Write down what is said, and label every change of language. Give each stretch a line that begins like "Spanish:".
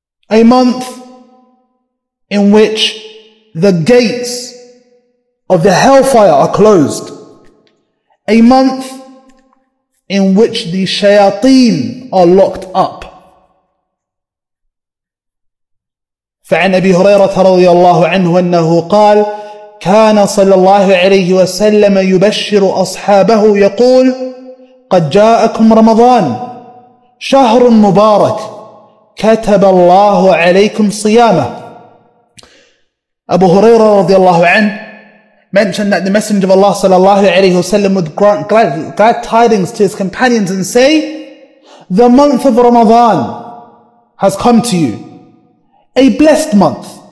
English: A month in which the gates of the hellfire are closed. A month in which the shayateen are locked up.
Arabic: فعن أبي هريرة رضي الله عنه أنه قال كان صلى الله عليه وسلم يبشر أصحابه يقول قد جاءكم رمضان شهر مبارك كتب الله عليكم صيامه.
English: Abu Huraira
Arabic: رضي الله عنه
English: mentioned that the Messenger of Allah
Arabic: صلى الله عليه وسلم
English: would grant glad tidings to his companions and say, the month of Ramadan has come to you. A blessed month.